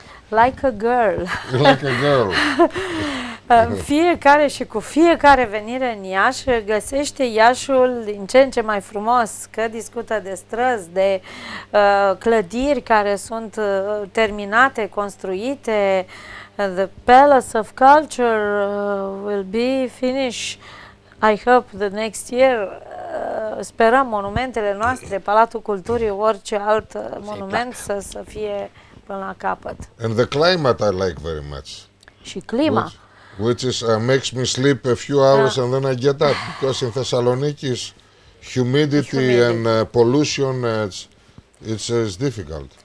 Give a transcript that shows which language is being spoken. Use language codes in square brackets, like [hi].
[en] Like a girl. Like a girl. [ro] Fiecare și cu fiecare venire în Iași găsește Iașul din ce în ce mai frumos, că discută de străzi, de clădiri care sunt terminate, construite. [en] The Palace of Culture will be finished, I hope, the next year. [ro] Sperăm monumentele noastre, Palatul Culturii, orice alt monument să fie până la capăt. [en] And the climate I like very much. [ro] Și clima. [en] Which is makes me sleep a few hours and then I get up because in Thessaloniki is humidity and pollution, it's difficult.